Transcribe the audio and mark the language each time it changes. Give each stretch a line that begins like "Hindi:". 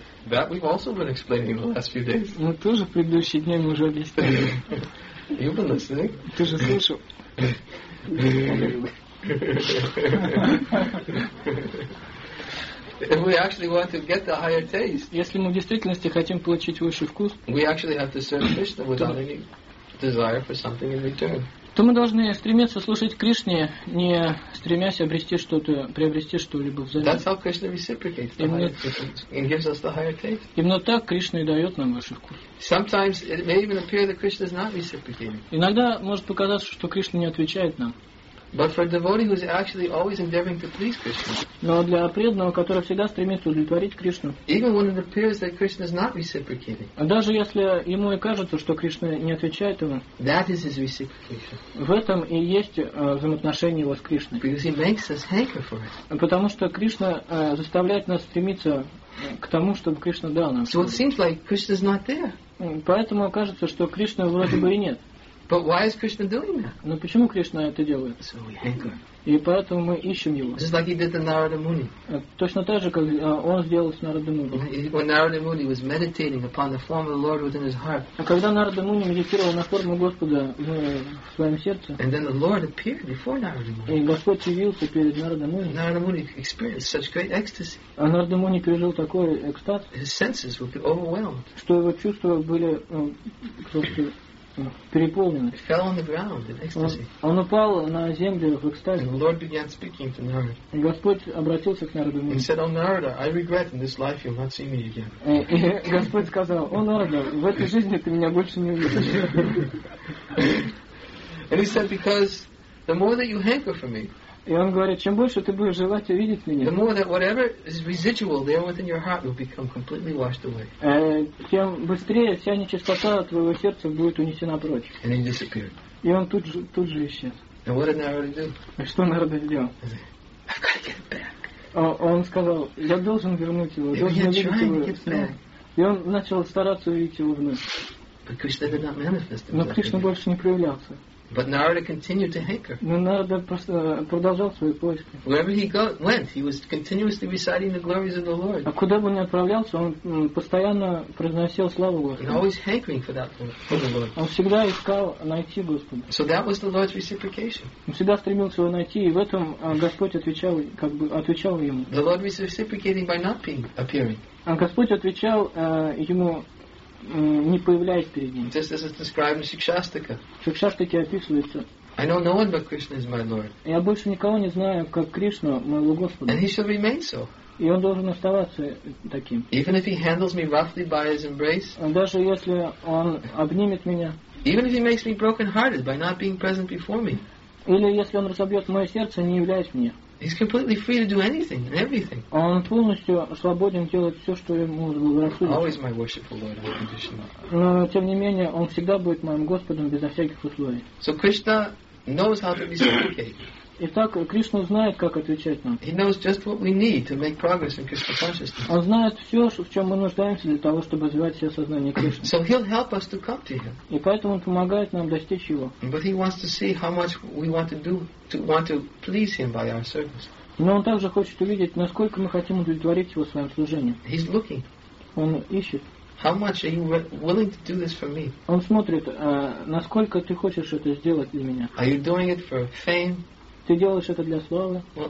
English: That we've also been explaining the last few days.
Russian: Мы тоже в предыдущие дни уже объясняли.
English: You've been listening.
Russian: Ты же слышал.
English: If we actually want to get the higher taste,
Russian: если мы в действительности хотим получить высший вкус,
English: we actually have to serve Krishna without any desire for something in return.
Russian: То мы должны стремиться служить Кришне, не стремясь обрести что-то, приобрести что-либо взамен.
English: That's how Krishna reciprocates the higher taste and gives us the higher taste.
Russian: Именно так Кришна и дает нам высший вкус.
English: Sometimes it may even appear that Krishna is not reciprocating.
Russian: Иногда может показаться, что Кришна не отвечает нам.
English: But for a devotee who is actually always endeavoring to please Krishna.
Russian: Но для преданного, который всегда стремится удовлетворить Кришну.
English: Even when it appears that Krishna is not reciprocating.
Russian: А даже если ему и кажется, что Кришна не отвечает ему.
English: That is his reciprocation.
Russian: В этом и есть взаимоотношение его с Кришной.
English: Because he makes us hanker for it.
Russian: Потому что Кришна заставляет нас стремиться к тому, чтобы Кришна дал нам.
English: So it seems like Krishna is not there.
Russian: Поэтому кажется, что Кришны вроде бы и нет.
English: But why is Krishna doing that?
Russian: Но почему Кришна это делает?
English: So we hanker.
Russian: И поэтому мы ищем его.
English: Just like he did the Narada Muni.
Russian: Точно так же, как он сделал с Нарада Муни.
English: When Narada Muni was meditating upon the form of the Lord within his heart.
Russian: А когда Нарада Муни медитировал на форму Господа в своем сердце.
English: And then the Lord appeared before Narada Muni.
Russian: И Господь явился перед Нарада Муни.
English: Narada Muni experienced such great ecstasy.
Russian: А Нарада Муни пережил такой экстаз.
English: His senses were overwhelmed.
Russian: Что его чувства были просто переполнено.
English: It fell on the ground in ecstasy.
Russian: Он упал на землю в экстазе.
English: And the Lord began speaking to Narada.
Russian: И Господь обратился к Нараду.
English: He said, "Oh Narada, I regret in this life you'll not see me again."
Russian: Господь сказал: "О Нарада, в этой жизни ты меня больше не увидишь."
English: And he said, "Because the more that you hanker for me."
Russian: И он говорит, чем больше ты будешь желать увидеть меня,
English: the more that whatever is residual there within your heart will become completely washed away.
Russian: Тем быстрее вся нечистота твоего сердца будет унесена прочь.
English: And he disappeared.
Russian: И он тут же исчез.
English: And what did Narada do?
Russian: Что Нарада сделал?
English: I've got to get back.
Russian: Он сказал, я должен вернуть его, должен увидеть его. И он начал стараться увидеть его вновь.
English: But Krishna did not manifest himself.
Russian: Но Кришна больше не проявлялся.
English: But Narada continued to hanker.
Russian: Но Нарада продолжал свои поиски.
English: Wherever he went, he was continuously reciting the glories of the Lord.
Russian: А куда бы он ни отправлялся, он постоянно произносил славу Господу.
English: And always hankering for that for the Lord.
Russian: Он всегда искал найти Господа.
English: So that was the Lord's reciprocation.
Russian: Он всегда стремился его найти, и в этом Господь отвечал ему.
English: The Lord was reciprocating by not being appearing.
Russian: А Господь отвечал ему. Не появляясь перед ним.
English: Just as it's described in Shikshastaka.
Russian: Shikshastaka описывается.
English: I know no one but Krishna is my Lord.
Russian: Я больше никого не знаю, как Кришна моего Господа.
English: And he shall remain so.
Russian: И он должен оставаться таким.
English: Even if he handles me roughly by his embrace.
Russian: Даже если он обнимет меня.
English: Even if he makes me broken-hearted by not being present before me.
Russian: Или если он разобьет мое сердце, не являясь мне.
English: He's completely free to do anything and everything.
Russian: Он полностью свободен делать все, что ему разрешено.
English: Always my worshipful Lord, unconditional.
Russian: Но тем не менее, он всегда будет моим Господом безо всяких условий.
English: So Krishna knows how to reciprocate.
Russian: Итак, Кришна знает, как отвечать нам.
English: He knows just what we need to make progress in Krishna consciousness.
Russian: Он знает все, в чем мы нуждаемся для того, чтобы развивать все сознание Кришны.
English: So he'll help us to come to him.
Russian: И поэтому он помогает нам достичь его.
English: But he wants to see how much we want to do to want to please him by our service.
Russian: Но он также хочет увидеть, насколько мы хотим удовлетворить его своим служением.
English: He's looking.
Russian: Он ищет.
English: How much are you willing to do this for me?
Russian: Он смотрит, насколько ты хочешь это сделать для меня.
English: Are you doing it for fame?
Russian: Ты делаешь это для славы?